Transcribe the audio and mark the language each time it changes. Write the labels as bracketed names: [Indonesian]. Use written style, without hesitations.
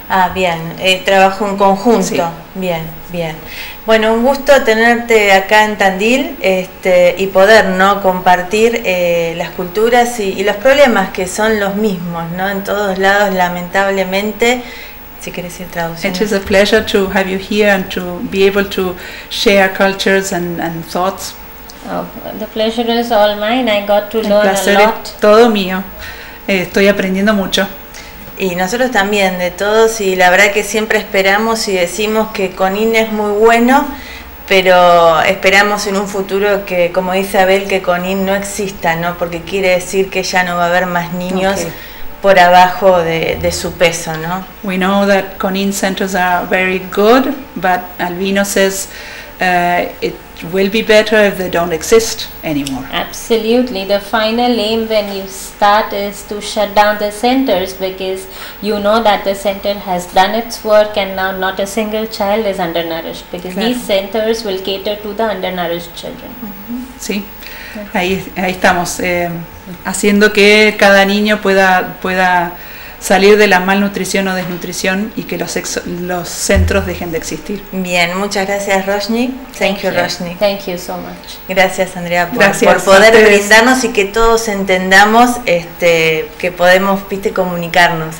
[Spanish] Ah, bien, trabajo en conjunto. Sí. Bien. Bueno, un gusto tenerte acá en Tandil, y poder, ¿no?, compartir las culturas y los problemas que son los mismos, ¿no?, en todos lados, lamentablemente. Si quieres ir traduciendo. [English] It is a pleasure to have you here and to be able to share cultures and thoughts. Oh, the pleasure is all mine. I got to el learn a lot. [Spanish] Placer todo mío. Estoy aprendiendo mucho. Y nosotros también de todos, y la verdad que siempre esperamos y decimos que con Ina es muy bueno, pero esperamos en un futuro que, como dice Abel, que con Ina no exista, ¿no? Porque quiere decir que ya no va a haber más niños. [English] Okay. [Spanish] Por abajo de su peso, ¿no? [English] We know that Conin centers are very good, but Albino says it will be better if they don't exist anymore. Absolutely. The final aim when you start is to shut down the centers, because you know that the center has done its work and now not a single child is undernourished, because [Spanish] claro. [English] These centers will cater to the undernourished children. [Spanish] Mm-hmm. Sí. ahí estamos, haciendo que cada niño pueda salir de la malnutrición o desnutrición y que los centros dejen de existir. Bien, muchas gracias, Roshni. [English] Thank you, Roshni. Thank you so much. [Spanish] Gracias, Andrea, por poder brindarnos y que todos entendamos que podemos, viste, comunicarnos.